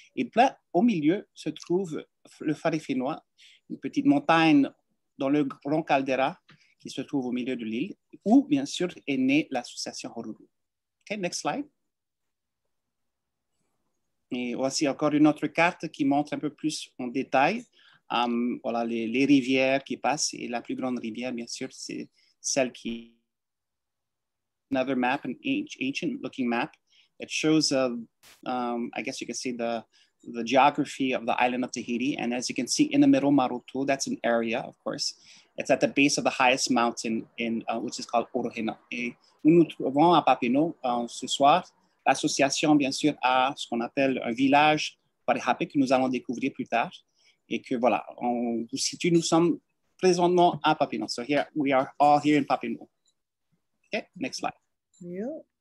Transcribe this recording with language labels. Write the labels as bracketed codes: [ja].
[fr] Et plein au milieu se trouve le Farifinoa, une petite montagne dans le grand caldera qui se trouve au milieu de l'île, où, bien sûr, est née l'association Haururu. [en] OK, next slide. [fr] Et voici encore une autre carte qui montre un peu plus en détail voilà, les rivières qui passent, et la plus grande rivière, bien sûr, c'est celle qui... [en] Another map, an ancient looking map. It shows, I guess you can see the geography of the island of Tahiti. And as you can see in the middle, Marutu, that's an area, of course. It's at the base of the highest mountain in which is called Orohena. [fr] Et nous trouvons à Papineau ce soir, l'association, bien sûr, a ce qu'on appelle un village Parihapé que nous allons découvrir plus tard. Et que voilà, on vous situe, nous sommes présentement à Papineau. [en] So here, we are all here in Papineau. Okay, next slide.